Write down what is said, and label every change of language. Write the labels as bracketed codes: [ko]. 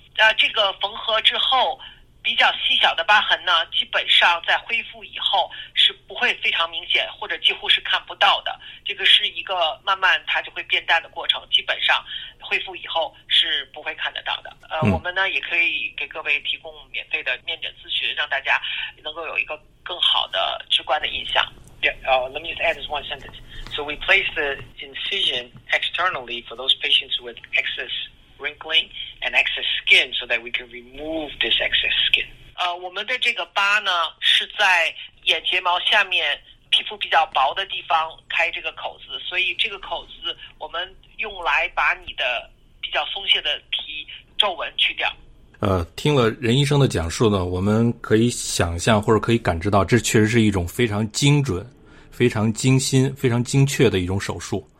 [zh] 那这个缝合之后比较细小的疤痕呢，基本上在恢复以后是不会非常明显或者几乎是看不到的，这个是一个慢慢它就会变淡的过程，基本上恢复以后是不会看得到的。我们呢也可以给各位提供免费的面诊咨询，让大家能够有一个更好的直观的印象。 [en] Let me just add this one sentence. So we place the incision externally for those patients with excess wrinkling and excess skin so that we can remove this excess skin. [zh] 我们的这个疤呢是在眼睫毛下面皮肤比较薄的地方开这个口子，所以这个口子我们用来把你的比较松懈的皮皱纹去掉。听了任医生的讲述呢，我们可以想象或者可以感知到，这确实是一种非常精准、非常精心、非常精确的一种手术。